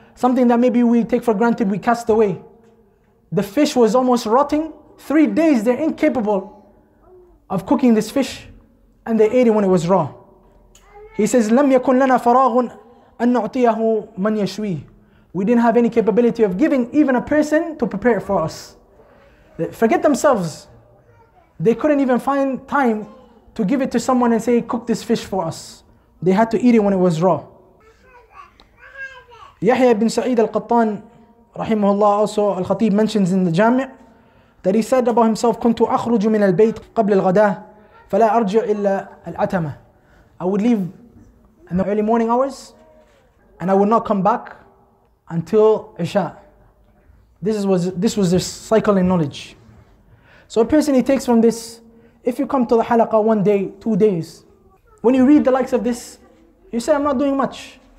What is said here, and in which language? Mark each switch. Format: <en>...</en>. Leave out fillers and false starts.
<en>Something that maybe we take for granted, we cast away. The fish was almost rotting. 3 days, they're incapable of cooking this fish. And they ate it when it was raw. He says,</en> <ar>لَمْ يَكُنْ لَنَا فَرَاغٌ أَنْ نُعْطِيَهُ مَنْ يَشْوِيهِ.</ar> <en>We didn't have any capability of giving even a person to prepare it for us. Forget themselves. They couldn't even find time to give it to someone and say, cook this fish for us. They had to eat it when it was raw.</en> <ar>يحيى بن سعيد القطان رحمه الله,</ar> <en>also Al-Khatib mentions in the Jami' that he said about himself,</en> <ar>كنت أخرج من البيت قبل الغداء فلا أرجع إلا العتمة.</ar> <en>I would leave in the early morning hours and I would not come back until Isha. This was their cycle in knowledge. So a person, he takes from this, if you come to the halaqa 1 day, 2 days, when you read the likes of this, you say, I'm not doing much.</en>